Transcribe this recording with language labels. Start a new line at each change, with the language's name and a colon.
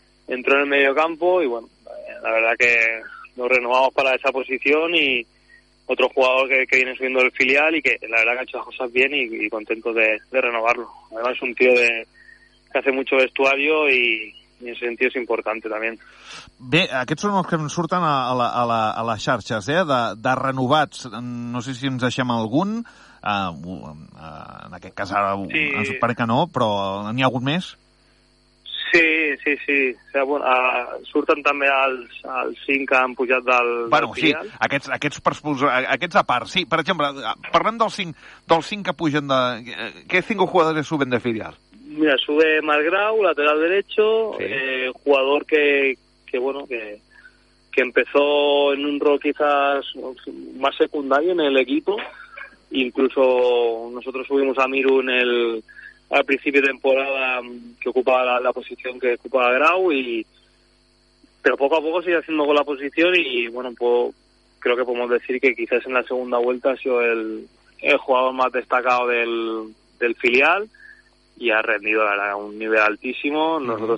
Spanish: Entró en el medio campo y, bueno, la verdad que nos renovamos para esa posición, y otro jugador que viene subiendo del filial y que la verdad que ha hecho las cosas bien, y contento de renovarlo. Además es un tío que hace mucho vestuario y en ese sentido es importante también.
Catalan: Bé, aquests són els que ens surten a les xarxes, de renovats. No sé si ens deixem algun. En aquest cas ara sí. Ens pare que no, però n'hi ha hagut més? Sí. O sigui, bueno, surten també els cinc que han pujat del filial. Bueno, sí, aquests a part. Sí, per exemple, parlem dels cinc que pugen de... Què cinc jugadors suben de filial?
Spanish: Mira, sube Margrau, lateral derecho, sí. Jugador que empezó en un rol quizás más secundario en el equipo. Incluso nosotros subimos a Miru en el... al principio de temporada, que ocupaba la posición que ocupaba Grau, pero poco a poco sigue haciendo con la posición, y bueno, creo que podemos decir que quizás en la segunda vuelta ha sido el jugador más destacado del filial, y ha rendido a un nivel altísimo. Nosotros uh-huh.